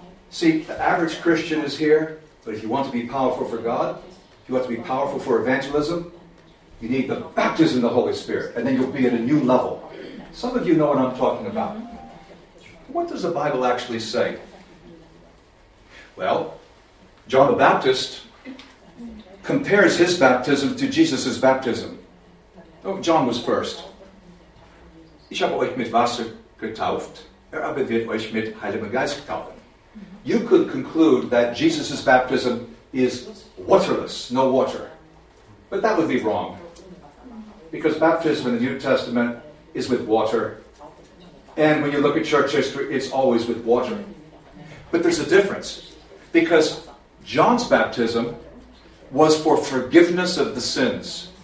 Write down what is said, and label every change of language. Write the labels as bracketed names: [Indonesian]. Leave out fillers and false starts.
[English] See, the average Christian is here, but if you want to be powerful for God, if you want to be powerful for evangelism, you need the baptism of the Holy Spirit, and then you'll be at a new level. Some of you know what I'm talking about. What does the Bible actually say? Well, John the Baptist compares his baptism to Jesus' baptism. Oh, John was first. [German] Ich habe euch mit Wasser getauft, er aber wird euch mit Heiligem Geist getauft. [English] You could conclude that Jesus' baptism is waterless, no water. But that would be wrong. Because baptism in the New Testament is with water. And when you look at church history, it's always with water. But there's a difference. Because John's baptism was for forgiveness of the sins.